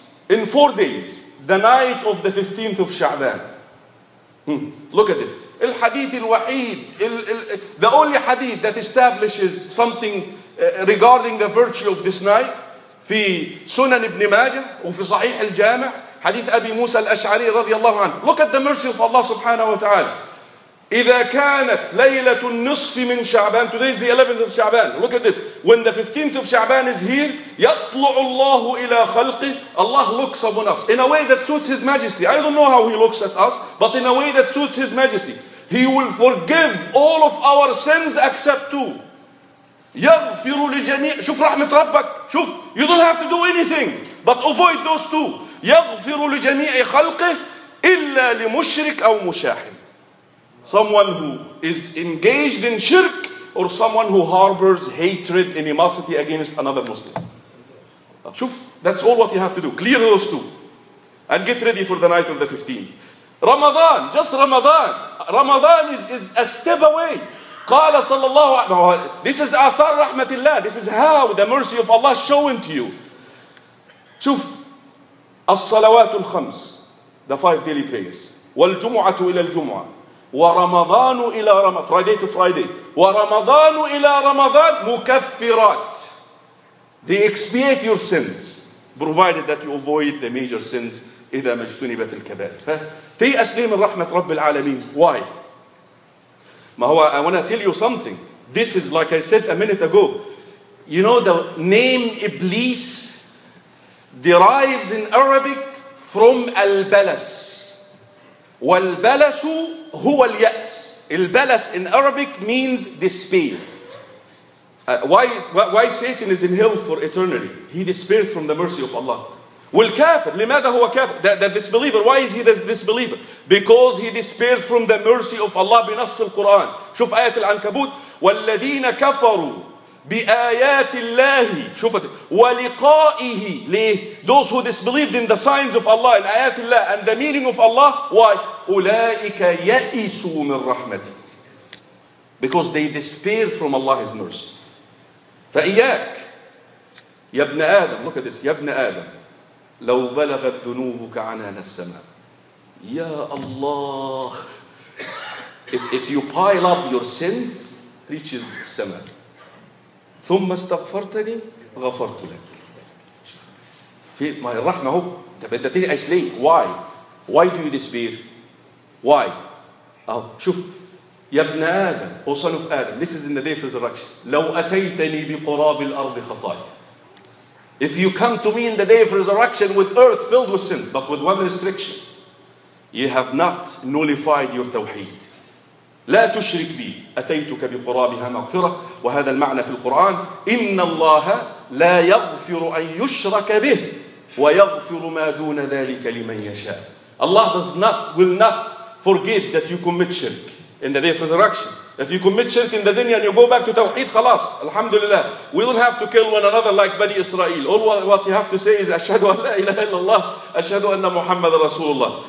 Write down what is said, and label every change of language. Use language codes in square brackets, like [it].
[en] In four days, the night of the 15th of Sha'ban. Look at this. [ar] الحديث الوحيد, [en] the only hadith that establishes something regarding the virtue of this night, [ar] في سنن ابن ماجه وفي صحيح الجامع, حديث أبي موسى الأشعري رضي الله عنه. [en] Look at the mercy of Allah سبحانه وتعالى. [ar] إذا كانت ليلة النصف من شعبان, [en] today is the 11th of Sha'ban. Look at this. When the 15th of Sha'ban is here, [ar] يطلع الله إلى خلقه. [en] Allah looks upon us in a way that suits His Majesty. I don't know how He looks at us, but in a way that suits His Majesty. He will forgive all of our sins except two. [ar] يغفر لجميع. شوف رحمة ربك. شوف. [en] You don't have to do anything, but avoid those two. [ar] يغفر لجميع خلقه إلا لمشرك أو مشاحن. [en] Someone who is engaged in shirk or someone who harbors hatred, animosity against another Muslim. [ar] شوف, [en] that's all what you have to do. Clear those two. And get ready for the night of the 15th. Ramadan, just Ramadan. Ramadan is a step away. [ar] قال صلى الله عليه وسلم, [en] this is the [ar] آثار رحمة الله, [en] this is how the mercy of Allah is showing to you. [ar] شوف الصلوات الخمس, [en] the five daily prayers, [ar] والجمعة إلى الجمعة, ورمضان إلى رمضان, [en] Friday to Friday, [ar] ورمضان إلى رمضان مكفرات, [en] they expiate your sins provided that you avoid the major sins [ar] إذا ما اجتنبت الكبائر. فتيأس لي من رحمة رب العالمين. [en] Why? [ar] ما هو, [en] I want to tell you something. This is like I said a minute ago. You know the name Iblis derives in Arabic from Al-Balas. [ar] Wal-Balasu huwa al-Ya'as. [en] Al-Balas in Arabic means despair. Why Satan is in hell for eternity? He despaired from the mercy of Allah. [ar] والكافر, لماذا هو كافر? [en] The disbeliever, why is he the disbeliever? Because he despaired from the mercy of Allah, [ar] بنص القرآن. شوف آية العنكبوت, والذين كفروا بآيات الله, شوف ولقائه, ليه? [en] Those who disbelieved in the signs of Allah, in [ar] آيات الله [en] and the meaning of Allah, why? [ar] أولئك يئسوا من رحمتي, [en] because they despaired from Allah's mercy. [ar] فإياك يا ابن آدم, [en] look at this, [ar] يا ابن آدم لو بلغت ذنوبك عنان السماء. يا الله, [en] if you pile up your sins reaches السماء. ثم استغفرتني غفرت لك. في ما هي الرحمة هو تبدأ تعيش ليه? Why do you despair? Why? [ar] أو شوف يا ابن آدم, أو [en] son of Adam, this is in the day of resurrection, [ar] لو أتيتني بقراب الأرض خطايا. [en] If you come to me in the day of resurrection with earth filled with sins, but with one restriction, you have not nullified your tawheed. [ar] لا تشرك بي, أتيتك بقرابها مغفرة, وهذا المعنى في القرآن, إن الله لا يغفر أن يشرك به ويغفر ما دون ذلك لمن يشاء. [en] Allah will not forgive that you commit shirk in the day of resurrection. If you commit shirk in the dunya and you go back to tawheed, خلاص, alhamdulillah. We don't have to kill one another like Bani Israel. All what you have to say is, [ar] أشهد أن لا إله إلا الله, أشهد أن محمد رسول الله.